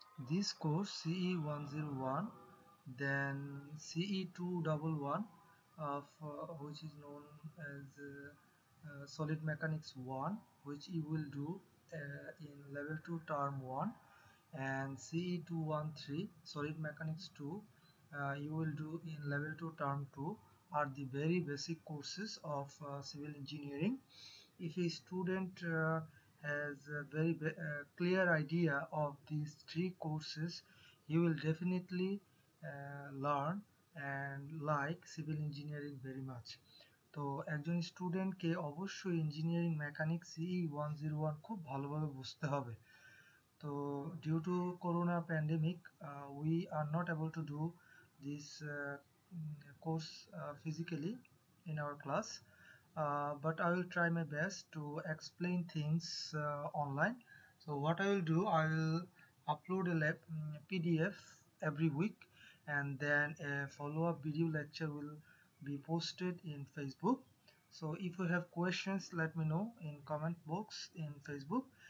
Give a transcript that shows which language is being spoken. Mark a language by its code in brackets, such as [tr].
[en] This course CE101, then CE211 of which is known as solid mechanics 1, which you will do in level 2 term 1, and CE213 solid mechanics 2 you will do in level 2 term 2 are the very basic courses of civil engineering. If a student has a very clear idea of these three courses, he will definitely learn and like civil engineering very much. [bn] So, একজন student কে অবশ্যই engineering mechanics CE101 খুব ভালোভাবে বুঝতে হবে. [en] তো due to corona pandemic we are not able to do this course physically in our class. But I will try my best to explain things online. So what I will do, I will upload a PDF every week, and then a follow-up video lecture will be posted in Facebook. So if you have questions, let me know in comment box in Facebook.